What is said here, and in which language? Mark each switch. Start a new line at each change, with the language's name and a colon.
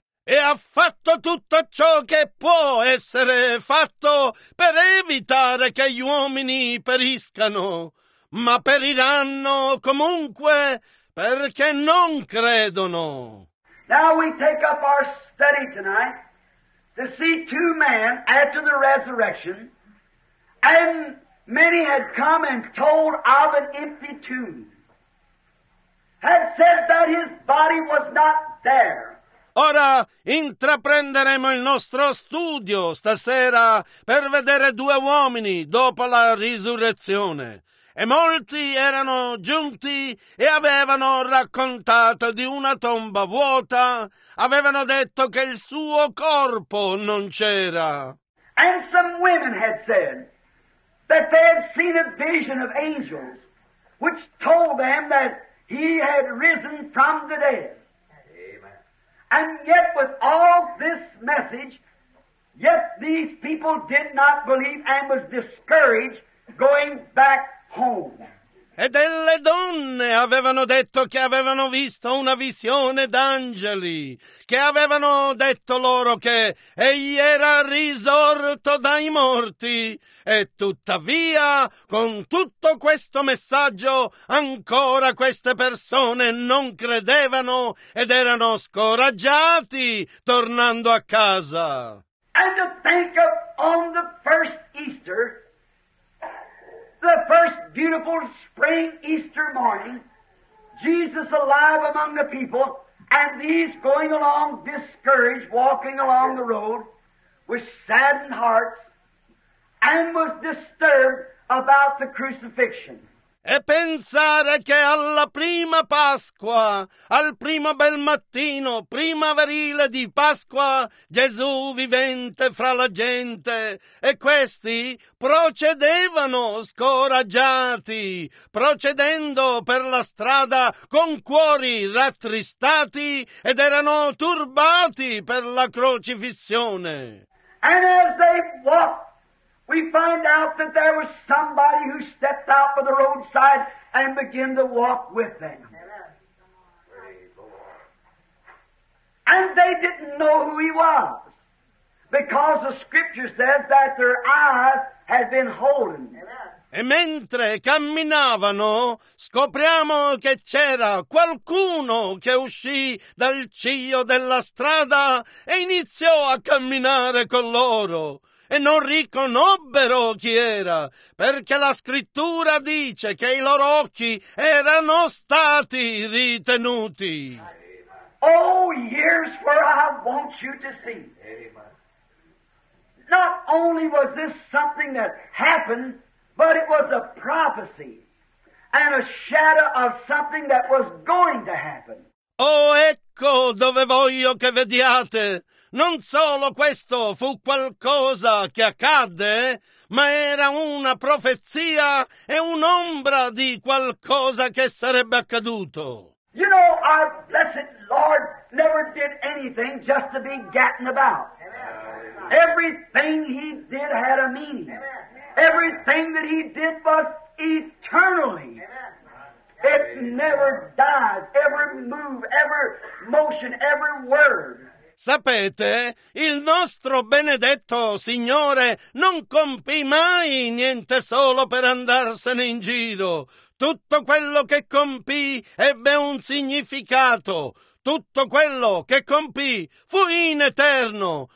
Italian: E ha fatto tutto ciò che può essere fatto per evitare che gli uomini periscano, ma periranno comunque perché non credono.
English: Now we take up our study tonight to see two men after the resurrection, and many had come and told of an empty tomb, had said that his body was not there.
Italian: Ora intraprenderemo il nostro studio stasera per vedere due uomini dopo la risurrezione. E molti erano giunti e avevano raccontato di una tomba vuota, avevano detto che il suo corpo non c'era.
English: And some women had said that they had seen a vision of angels which told them that he had risen from the dead. And yet with all this message, yet these people did not believe and was discouraged going back home.
Italian: E delle donne avevano detto che avevano visto una visione d'angeli, che avevano detto loro che egli era risorto dai morti, e tuttavia con tutto questo messaggio ancora queste persone non credevano ed erano scoraggiati tornando a casa.
English: And to think of on the first Easter, the first beautiful spring Easter morning, Jesus alive among the people, and these going along discouraged, walking along the road with saddened hearts, and was disturbed about the crucifixion.
Italian: E pensare che alla prima Pasqua, al primo bel mattino primaverile di Pasqua, Gesù vivente fra la gente, e questi procedevano scoraggiati, procedendo per la strada con cuori rattristati ed erano turbati per la crocifissione.
English: And as they walked, we find out that there was somebody who stepped out by the roadside and began to walk with them. And they didn't know who he was, because the scripture says that their eyes had been holding.
Italian: E mentre camminavano, scopriamo che c'era qualcuno che uscì dal ciglio della strada e iniziò a camminare con loro. E non riconobbero chi era, perché la scrittura dice che i loro occhi erano stati ritenuti.
English: Oh, here's where I want you to see. Not only was this something that happened, but it was a prophecy and a shadow of something that was going to happen.
Italian: Oh, ecco dove voglio che vediate. Non solo questo fu qualcosa che accadde, ma era una profezia e un'ombra di qualcosa che sarebbe accaduto.
English: You know, our blessed Lord never did anything just to be gatting about. Everything he did had a meaning. Everything that he did was eternally. It never dies, every move, every motion, every word.
Italian: Sapete, il nostro benedetto Signore non compì mai niente solo per andarsene in giro. Tutto quello che compì ebbe un significato. Tutto quello che compì fu in eterno.